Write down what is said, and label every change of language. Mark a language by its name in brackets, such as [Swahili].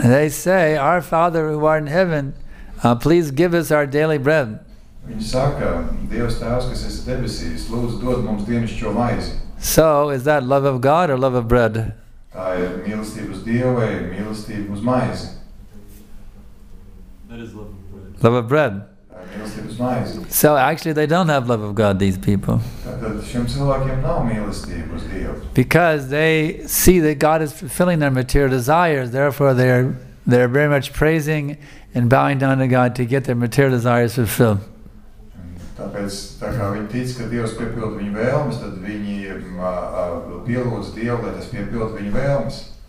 [English] They say, our Father who art in heaven, please give us our daily bread. [Latvian] Viņi saka, Dievs Tēvs, kas esi debesīs, lūdzu dod mums dienišķo maizi. [English] So, is that love of God or love of bread? [Latvian] Tā ir mīlestība uz Dievu vai mīlestība uz maizi? [English] That is love of bread. Love of bread. [Latvian] Mīlestība uz maizi. [English] So, actually, they don't have love of God, these people. [Latvian] Tātad šiem cilvēkiem nav mīlestība uz Dievu. [English] Because they see that God is fulfilling their material desires, therefore they're very much praising and bowing down to God to get their material desires fulfilled. [Latvian] Tāpēc, tā kā viņi tic, ka Dievs piepilda viņu vēlmes, tad viņi pielūdz Dievu, lai tas piepilda viņu vēlmes.